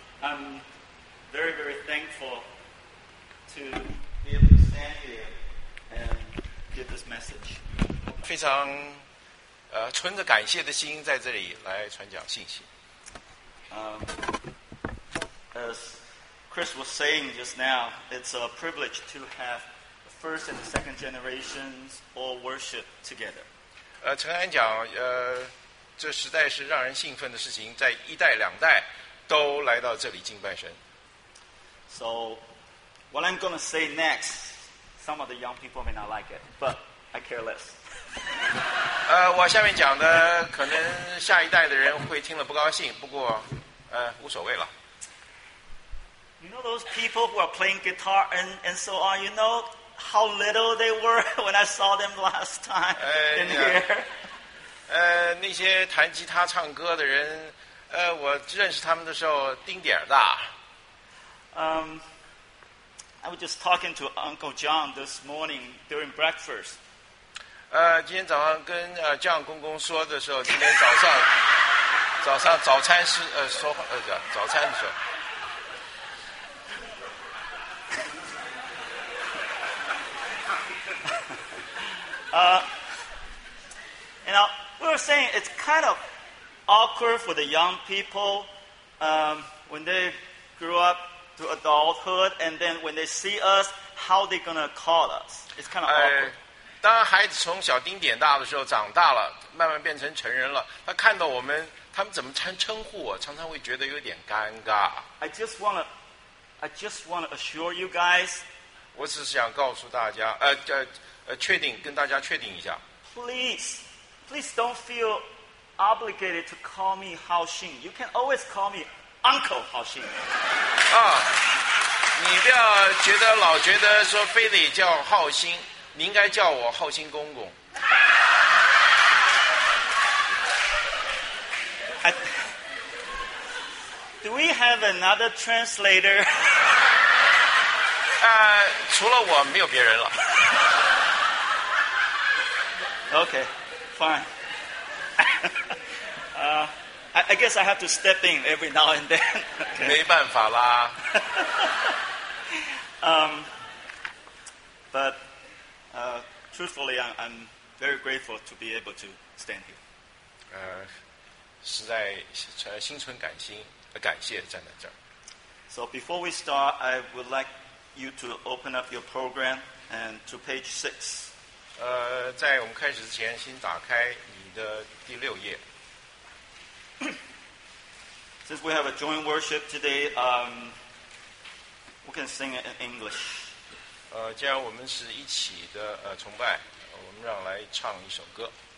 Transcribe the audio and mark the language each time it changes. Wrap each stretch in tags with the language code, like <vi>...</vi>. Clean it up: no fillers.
<en>I'm very, very thankful to be able to stand here and give this message.</en> <zh>非常存着感谢的心在这里来传讲信息。</zh> <en>As Chris was saying just now, it's a privilege to have the first and the second generations all worship together.</en> <zh>陈安讲这实在是让人兴奋的事情，在一代两代都来到这里敬拜神。</zh> <en>So, what I'm going to say next, some of the young people may not like it, but I care less.</en> <zh>我下面讲的可能下一代的人会听了不高兴，不过无所谓了。</zh> <en>You know those people who are playing guitar and so on, you know how little they were when I saw them last time in here.</en> <zh>那些弹吉他唱歌的人我认识他们的时候丁点儿大。</zh> <en>I was just talking to Uncle John this morning during breakfast.</en> <zh>今天早上跟John公公说的时候，今天早上早餐是说话早餐的时候。</zh> <en>You know, we were saying it's kind of awkward for the young people when they grew up to adulthood, and then when they see us, how they gonna call us? It's kind of awkward.</en> <zh>当孩子从小丁点大的时候长大了，慢慢变成成人了，他看到我们，他们怎么称呼我，常常会觉得有点尴尬。</zh> <en>I just wanna assure you guys.</en> <zh>我只是想告诉大家，确定跟大家确定一下。</zh> <en>Please don't feel obligated to call me Hao Xing. You can always call me Uncle Hao Xing.</en> <zh>你不要觉得老觉得说非得叫浩星，你应该叫我浩星公公。</zh> <en>Do we have another translator?</en> <zh>除了我没有别人了。</zh> <en>Okay, fine. I guess I have to step in every now and then.</en> <zh>没办法啦。</zh> <en>But truthfully, I'm very grateful to be able to stand here.</en> <zh>实在心存感谢站在这儿。</zh> <en>So before we start, I would like you to open up your program and to page 6.</en> <zh>在我们开始之前，先打开你的第六页。</zh> <en>Since we have a joint worship today, we can sing it in English.</en> <zh>既然我们是一起的崇拜，我们让来唱一首歌。</zh>